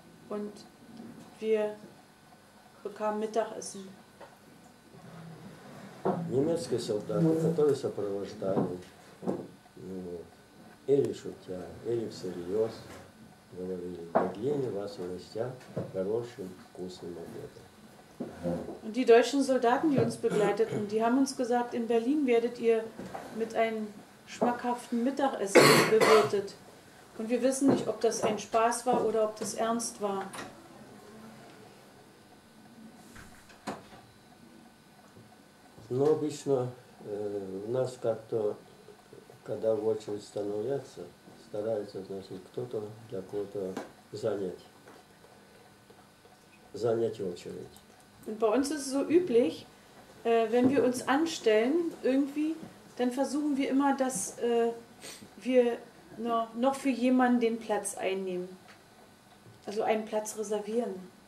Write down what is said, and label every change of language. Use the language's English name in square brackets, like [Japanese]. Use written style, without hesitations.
[German] Und wir bekamen Mittagessen. [Russian] Немецкие солдаты, которые сопровождали, или шутя, или всерьез, говорили, в Берлине вас угостят хорошим вкусным обедом. [German] Und die deutschen Soldaten, die uns begleiteten, die haben uns gesagt, in Berlin werdet ihr mit einem schmackhaften Mittagessen bewirtet. Und wir wissen nicht, ob das ein Spaß war oder ob das ernst war. [Russian] Но обычно у нас как-то, когда в очередь становятся, стараются, значит, кто-то для кого-то занять очередь. [German] Und bei uns ist es so üblich, wenn wir uns anstellen, irgendwie, dann versuchen wir immer, dass wir noch für jemanden den Platz einnehmen. Also einen Platz reservieren.